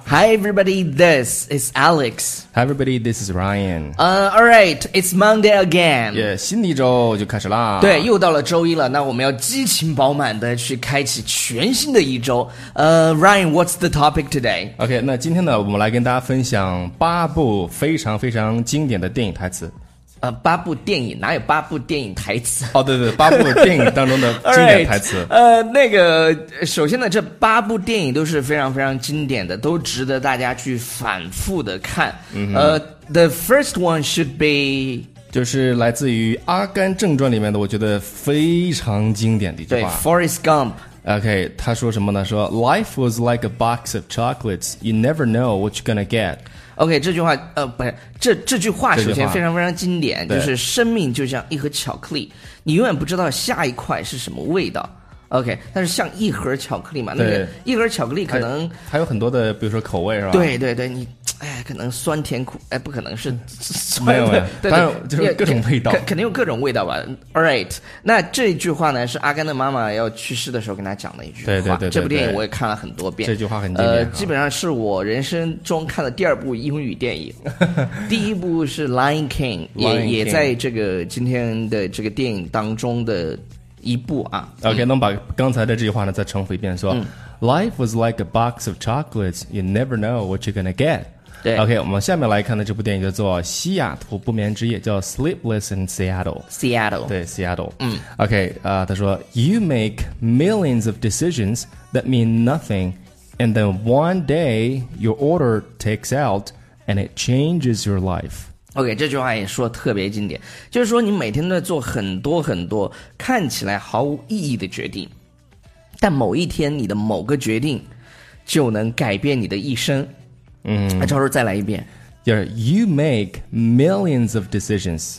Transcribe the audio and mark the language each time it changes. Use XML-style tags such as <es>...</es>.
<en>Hi everybody, this is Alex. Hi everybody, this is Ryan. All right, it's Monday again.</en> <zh>Yeah, 新的一周就开始啦。对，又到了周一了，那我们要激情饱满的去开启全新的一周。</zh> <en>Ryan, what's the topic today?</en> <zh>OK, 那今天呢，我们来跟大家分享八部非常非常经典的电影台词。八部电影哪有八部电影台词？哦，对对，八部电影当中的经典台词。 right, 那个，首先呢，这八部电影都是非常非常经典的，都值得大家去反复的看。嗯、</zh> <en>The first one should be</en> <zh>就是来自于《阿甘正传》里面的，我觉得非常经典的一句话。对 ，Forrest Gump。 OK， 他说什么呢？</zh> <en>说 Life was like a box of chocolates. You never know what you're gonna get.</en> <zh>OK， 这句话不是这句话首先非常非常经典，就是生命就像一盒巧克力，你永远不知道下一块是什么味道。 OK， 但是像一盒巧克力嘛，那个一盒巧克力可能还有很多的，比如说口味是吧？对对对，你哎，可能酸甜苦哎，不可能是酸的，没有没有，当然就是各种味道，肯定有各种味道吧。 All right， 那这句话呢是阿甘的妈妈要去世的时候跟他讲的一句话。对对 对, 对, 对，这部电影我也看了很多遍，这句话很经典。基本上是我人生中看的第二部英语电影，第一部是《Lion King》，也在这个今天的这个电影当中的。一步啊 OK、嗯、那我把刚才的这句话呢再重复一遍说、嗯、</zh> <en>Life was like a box of chocolates. You never know what you're gonna get.</en> <zh>对 OK 我们下面来看的这部电影叫做西雅图不眠之夜，叫 Sleepless in Seattle.</zh> <en>Seattle</en> <zh>对 Seattle、嗯、</zh> <en>OK、他说 You make millions of decisions that mean nothing, and then one day your order takes out and it changes your life</en> <zh>OK， 这句话也说特别经典，就是说你每天都在做很多很多看起来毫无意义的决定，但某一天你的某个决定就能改变你的一生。嗯，赵叔再来一遍，</zh> <en>就是 You make millions of decisions、</en>